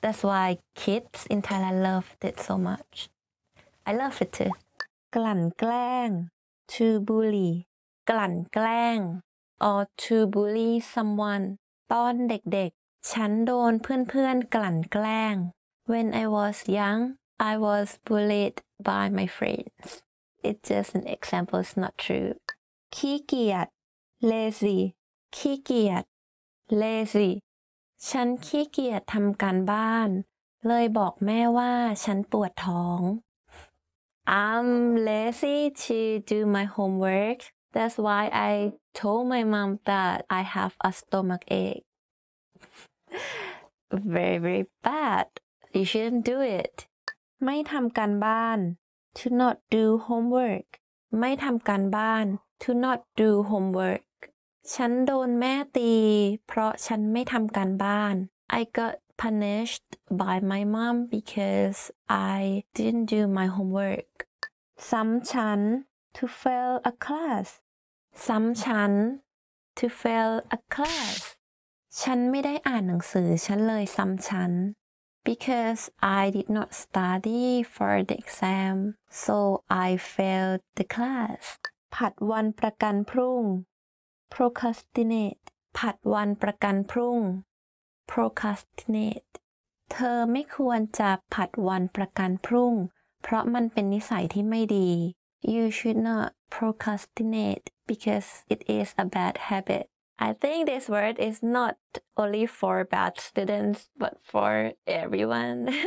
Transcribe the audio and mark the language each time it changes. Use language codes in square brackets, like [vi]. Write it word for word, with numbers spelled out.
[en] That's why kids in Thailand love it so much. I love it too. กลั่นแกล้ง to bully กลั่นแกล้งor to bully someone [th] ตอนเด็กๆฉันโดนเพื่อนๆกลั่นแกล้ง [en] When I was young, I was bullied by my friends. It's just an example, it's not true. ขี้เกียจ lazy ขี้เกียจ lazy [th] ฉันขี้เกียจทำการบ้านเลยบอกแม่ว่าฉันปวดท้อง [en] I'm lazy to do my homework. That's why I told my mom that I have a stomach ache. Very, very bad. You shouldn't do it. ไม่ทำการบ้าน To not do homework. ไม่ทำการบ้าน to not do homework [th] ฉันโดนแม่ตีเพราะฉันไม่ทำการบ้าน [en] I got punished by my mom because I didn't do my homework ซ้ำฉัน to fail a class ซ้ำฉัน to fail a class [th] ฉันไม่ได้อ่านหนังสือฉันเลยซ้ำฉัน [en] Because I did not study for the exam, so I failed the class. ผัดวันประกันพรุ่ง procrastinate ผัดวันประกันพรุ่ง procrastinate [th] เธอไม่ควรจะผัดวันประกันพรุ่งเพราะมันเป็นนิสัยที่ไม่ดี [en] You should not procrastinate because it is a bad habit. I think this word is not only for bad students, but for everyone.